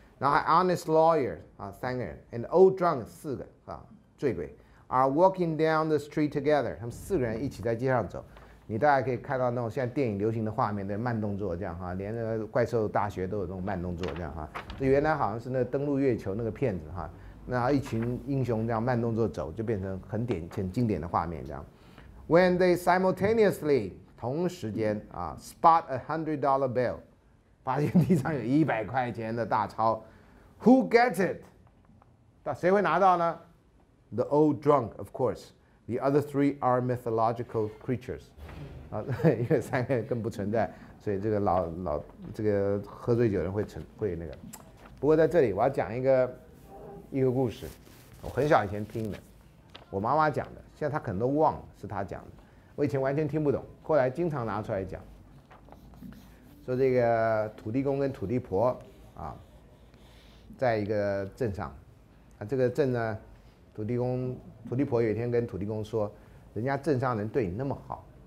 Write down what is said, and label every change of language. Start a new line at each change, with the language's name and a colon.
Chinese: 然后
English: honest lawyer
Chinese: 啊，三个人 ，
English: and old drunk
Chinese: 四个啊，醉鬼 ，
English: are walking down the street together。
Chinese: 他们四个人一起在街上走。你大概可以看到那种现在电影流行的画面的慢动作，这样哈，连那个怪兽大学都有那种慢动作，这样哈。这原来好像是那登陆月球那个片子哈，那一群英雄这样慢动作走，就变成很经典的画面这样。
English: When they simultaneously
Chinese: 同时间啊
English: spot $100 bill，
Chinese: 发现地上有100块钱的大钞
English: ，Who gets it？
Chinese: 到谁会拿到呢 ？
English: The old drunk, of course. The other three are mythological creatures。
Chinese: 啊，因为三个人更不存在，所以这个老这个喝醉酒人会那个。不过在这里我要讲一个故事，我很小以前听的，我妈妈讲的，现在她可能都忘了是她讲的，我以前完全听不懂，后来经常拿出来讲，说这个土地公跟土地婆啊，在一个镇上，啊这个镇呢，土地婆有一天跟土地公说，人家镇上人对你那么好。